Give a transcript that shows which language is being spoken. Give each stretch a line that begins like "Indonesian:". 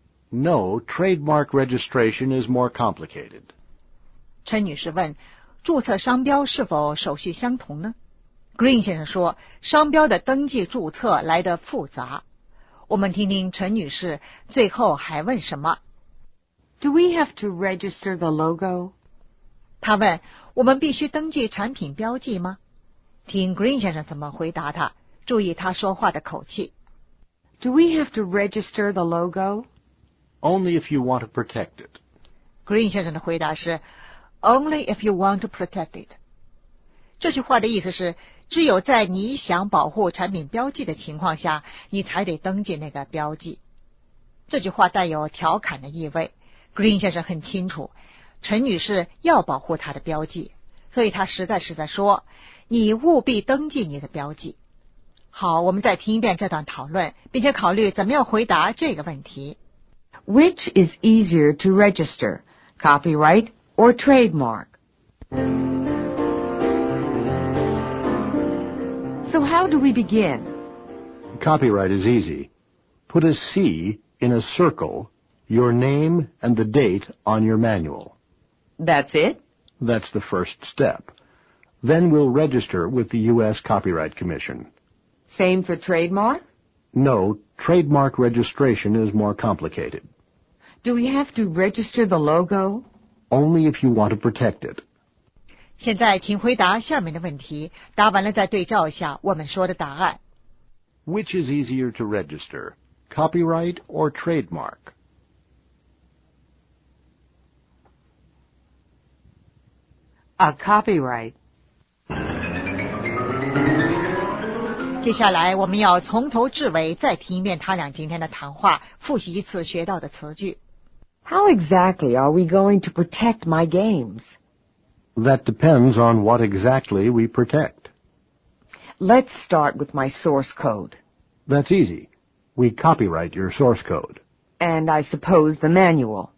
English: No, trademark registration is more complicated.
Chinese: 陈女士问，注册商标是否手续相同呢？Green 先生说，商标的登记注册来得复杂。我们听听陈女士最后还问什么。
English: Do we have to register the logo?
Chinese: 她问，我们必须登记产品标记吗？听 Green 先生怎么回答她，注意她说话的口气。
English: Do we have to register the logo? Only if you want to protect it. Green
Chinese: 先生的回答是
English: Only if you want to protect it.
Chinese: 这句话的意思是，只有在你想保护产品标记的情况下，你才得登记那个标记。这句话带有调侃的意味。Green 先生很清楚，陈女士要保护她的标记，所以她实在是在说，你务必登记你的标记。好，我们再听一遍这段讨论，并且考虑怎么样回答这个问题。
English: Which is easier to register, copyright or trademark? So how do we begin? Copyright is easy. Put a C in a circle, your name and the date on your manual. That's it? That's the first step. Then we'll register with the U.S. Copyright Commission. Same for trademark? No, trademark registration is more complicated. Do we have to register the logo? Only if you want to protect it.
Chinese: 现在请回答下面的问题，答完了再对照一下我们说的答案。
English: Which is easier to register, copyright or trademark? A copyright.
Chinese: 接下来我们要从头至尾再听一遍他俩今天的谈话，复习一次学到的词句。
English: How exactly are we going to protect my games? That depends on what exactly we protect. Let's start with my source code. That's easy. We copyright your source code. And I suppose the manual.